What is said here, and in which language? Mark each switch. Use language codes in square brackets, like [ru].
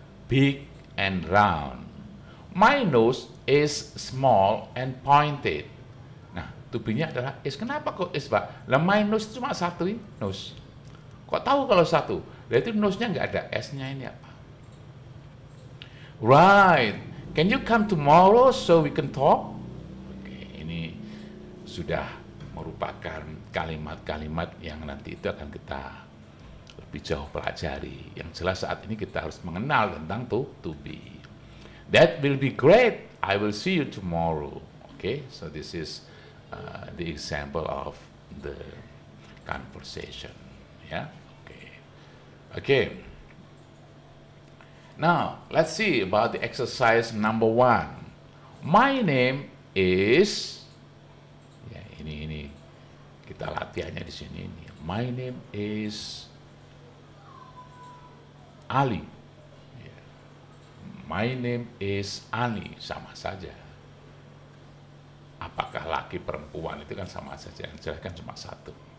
[en] Big and round. My nose is small and pointed. [id] Nah, tubinya adalah is. Kenapa kok is, Pak? Lah, [en] my nose [id] itu cuma satu ini, nose. Kok tahu kalau satu? Lah, itu nose-nya nggak ada. S-nya ini apa? [en] Right. Can you come tomorrow so we can talk? [id] Oke, ini sudah merupakan kalimat-kalimat yang nanti itu akan kita lebih jauh pelajari. Yang jelas saat ini kita harus mengenal tentang to be. [en] That will be great. I will see you tomorrow. Okay, so this is the example of the conversation. Yeah. Okay. Okay. Now let's see about the exercise number one. My name is. [id] Yeah, ini kita latihannya di sini. Ini. [en] My name is Ali. My name is Ali, [id] sama saja. Apakah laki perempuan itu kan sama saja, yang jelas kan cuma satu.